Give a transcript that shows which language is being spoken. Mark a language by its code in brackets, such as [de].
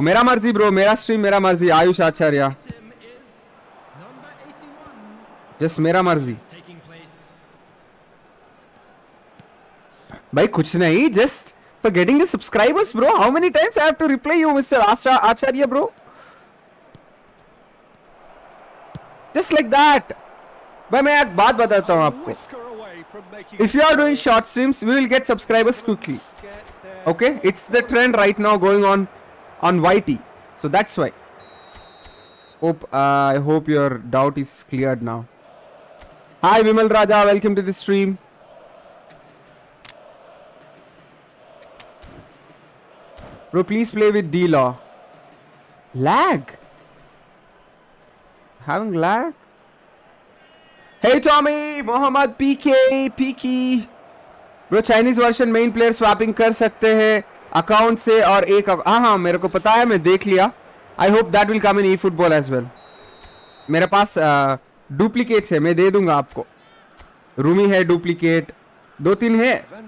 [hi] मेरा मर्ज़ी, bro. मेरा स्ट्रीम, मेरा मर्ज़ी। Ayush Acharya. Just मेरा मर्ज़ी। भाई, कुछ नहीं। Just [en] for getting the subscribers, bro. How many times I have to reply you, Mr. Acharya, bro? Just like that. But I'll tell you one thing. If you are doing short streams, we will get subscribers quickly. Okay? It's the trend right now going on YT. So that's why. I hope your doubt is cleared now. Hi, Vimal Raja. Welcome to the stream. Bro, please play with D-Law. Lag? Having lag? Hey, Tommy! Mohammed PK! Peaky! Bro, Chinese version [hi] में [en] player swapping [hi] कर सकते है। Account से और एक... हाँ, मेरे को पता है, मैं देख लिया। [en] I hope that will come in eFootball as well. [hi] मेरे पास डुप्लीकेट्स है, मैं दे दूँगा आपको। रूमी है डुप्लीकेट। दो तीन है।